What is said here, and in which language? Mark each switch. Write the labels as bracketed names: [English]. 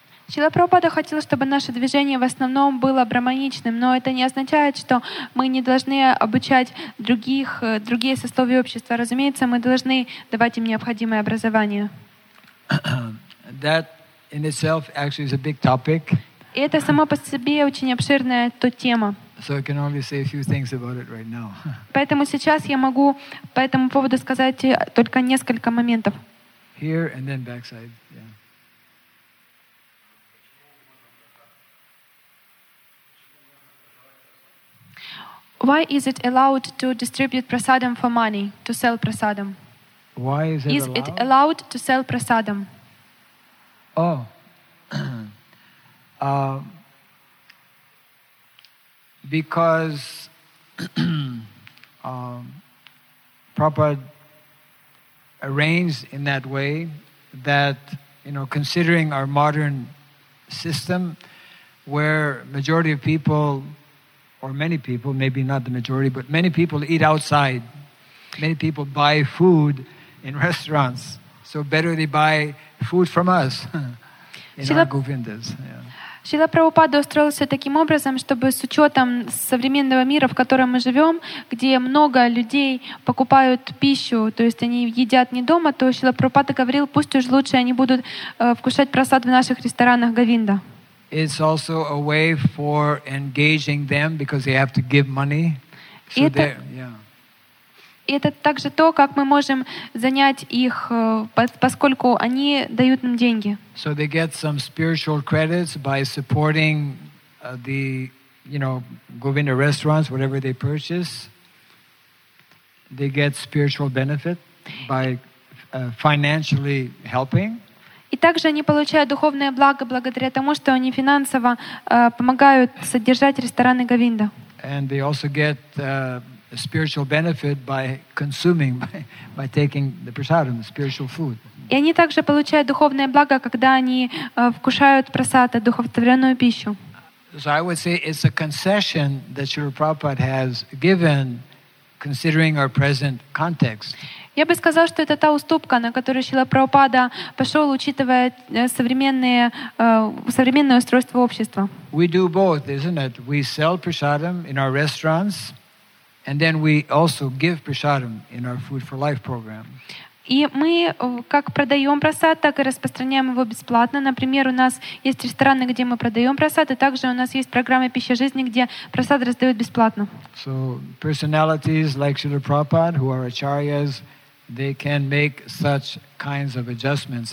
[Russian] Шрила Прабхупада хотел, чтобы наше движение в основном было брахманичным, но это не означает, что мы не должны обучать другие сословия общества. Разумеется, мы должны давать им необходимое образование. [English] That in itself actually is a big topic. [Russian] И это само по себе очень обширная то тема. [English] So I can only say a few things about it right now. [Russian] Поэтому сейчас я могу по этому поводу сказать только несколько моментов. [English] Here and then backside. Yeah. Why is it allowed to distribute prasadam for money, to sell prasadam? Why is it allowed? Is it allowed to sell prasadam? Oh. Because Prabhupada arranged in that way that, you know, considering our modern system where majority of people or many people, maybe not the majority, but many people eat outside. Many people buy food in restaurants. So better they buy food from us in our govindas. [Russian] Шрила Прабхупада устроился таким образом, чтобы с учетом современного мира, в котором мы живем, где много людей покупают пищу, то есть они едят не дома, то Шрила Прабхупада говорил, пусть уж лучше они будут вкушать прасад в наших ресторанах Говинда. [English] It's also a way for engaging them because they have to give money. [Russian] So это также то, как мы можем занять их, поскольку они дают нам деньги. [English] So they get some spiritual credits by supporting the, you know, Govinda restaurants, whatever they purchase. They get spiritual benefit by financially helping. [Russian] И также они получают духовное благо благодаря тому, что они финансово помогают содержать рестораны Говинда. [English] And they also get spiritual benefit by consuming, by taking the prasadam, the spiritual food. [Russian] И они также получают духовное благо, когда они вкушают прасад, духовтворенную пищу. [English] So I would say it's a concession that Srila Prabhupada has given considering our present context. [Russian] Я бы сказал, что это та уступка, на которую Шрила Прабхупада пошел, учитывая современное устройство общества. [English] We do both, isn't it? We sell prasadam in our restaurants, and then we also give prasadam in our Food for Life program. [Russian] И мы как продаем просад, так и распространяем его бесплатно. Например, у нас есть рестораны, где мы продаем просад, и также у нас есть программа «Пища жизни», где просад раздают бесплатно. [English] So personalities like Srila Prabhupada, who are acharyas, they can make such kinds of adjustments.